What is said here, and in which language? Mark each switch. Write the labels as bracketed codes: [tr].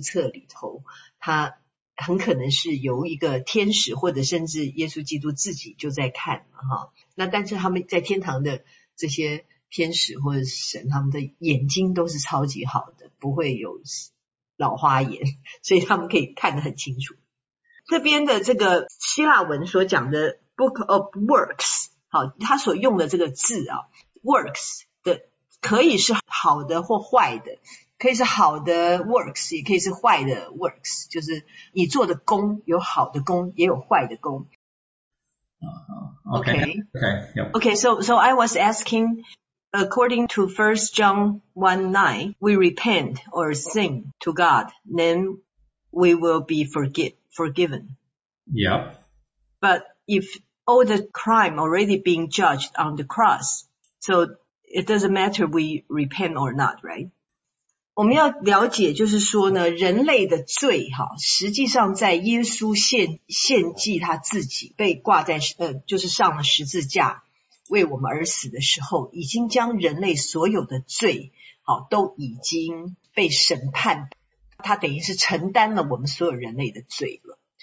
[zh] 而另外一本呢，这个生命册呢，是只有一本书。这本书显然也很大，因为这本书里面是把所有的信徒，就是耶稣基督的信徒，都要的名字都会列在里头的。而这个生命册呢，里面的字一定写得超级小的，因为它要放所有信徒的名字。然后呢，在这样的这本书册里头，它 很可能是由一个天使或者甚至耶稣基督自己就在看，那但是他们在天堂的这些天使或者神，他们的眼睛都是超级好的，不会有老花眼，所以他们可以看得很清楚。这边的这个希腊文所讲的 Book of Works， 他所用的这个字 Works，的可以是好的或坏的，可以是好的 works， 也可以是坏的 works， 就是你做的功有好的功也有坏的功。 [en] Okay, so I was asking, according to 1 John 1:9, we repent or sin to God, then we will be forgiven. Yep. But if all the crime already being judged on the cross, so it doesn't matter we repent or not, right? [zh] 我们要了解就是说呢，人类的罪实际上在耶稣 献祭他自己被挂在就是上了十字架为我们而死的时候，已经将人类所有的罪都已经被审判，他等于是承担了我们所有人类的罪了。